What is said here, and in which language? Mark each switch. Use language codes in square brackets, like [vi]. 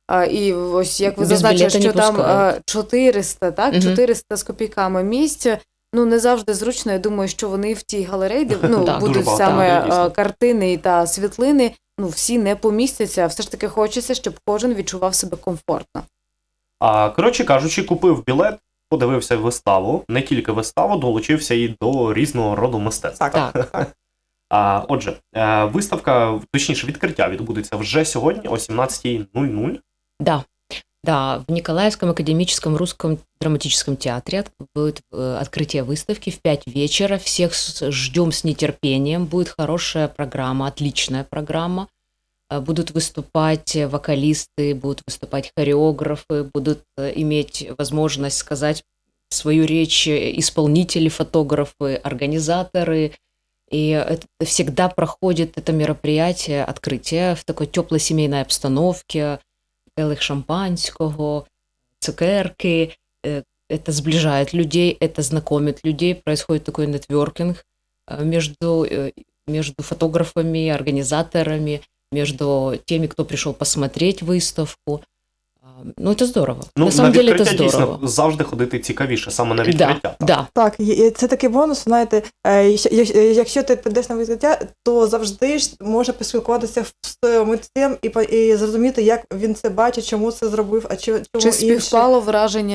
[uk] І ось, як ви зазначили, що там 400, так, 400 з копійками місць, ну, не завжди зручно, я думаю, що вони в тій галереї, де, ну, будуть саме картини та світлини, ну, всі не помістяться, все ж таки хочеться, щоб кожен відчував себе комфортно. А, коротше кажучи, купив білет, подивився виставу, не тільки виставу, долучився і до різного роду мистецтва. Так, так. Отже, виставка, точніше, відкриття відбудеться вже сьогодні о 17.00. [ru] Да, да, в Николаевском академическом русском драматическом театре будет открытие выставки в 5 вечера. Всех ждем с нетерпением. Будет хорошая программа, отличная программа. Будут выступать вокалисты, будут выступать хореографы, будут иметь возможность сказать свою речь исполнители, фотографы, организаторы. И это всегда проходит это мероприятие, открытие в такой теплой семейной обстановке, целых шампанского, цукерки. Это сближает людей, это знакомит людей, происходит такой нетворкинг между фотографами, организаторами, между теми, кто пришел посмотреть выставку. [uk] Ну, це здорово. Ну, [ru] на самом на деле, [uk] це здорово. Дійсно, завжди ходити цікавіше, саме на відкриття. [ru] Да, да. [uk] Так, це такий бонус, знаєте, якщо ти підеш на відкриття, то завжди ж може поспілкуватися з митцем і зрозуміти, як він це бачить, чому це зробив, а чому інше. Чи співпало враження,